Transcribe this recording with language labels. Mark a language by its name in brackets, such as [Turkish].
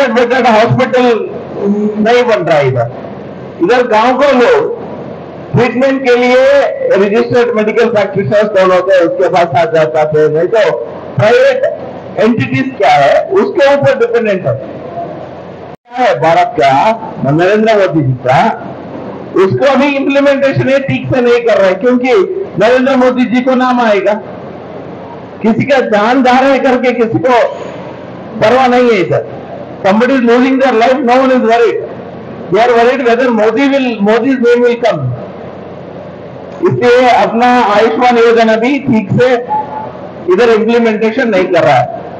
[Hindi] 100 bedded hospital नहीं बन रहा इधर, इधर गांव के लोग ट्रीटमेंट के लिए रजिस्टर्ड मेडिकल प्रैक्टिशनर्स कौन होते हैं उसके पास आ जाता थे, नहीं तो प्राइवेट एंटिटीज क्या है उसके ऊपर डिपेंडेंट है। भारत का नरेंद्र मोदी जी का उसको अभी इंप्लीमेंटेशन ठीक से नहीं कर रहे क्योंकि नरेंद्र मोदी जी को नाम आएगा, किसी का जान जा रहा है करके किसी को परवाह नहीं है। [English] इधर somebody is losing their life, no one is worried. They are worried whether Modi's name will come. [Hindi] इसलिए अपना आयुष्मान योजना भी ठीक से इधर इंप्लीमेंटेशन नहीं कर रहा है।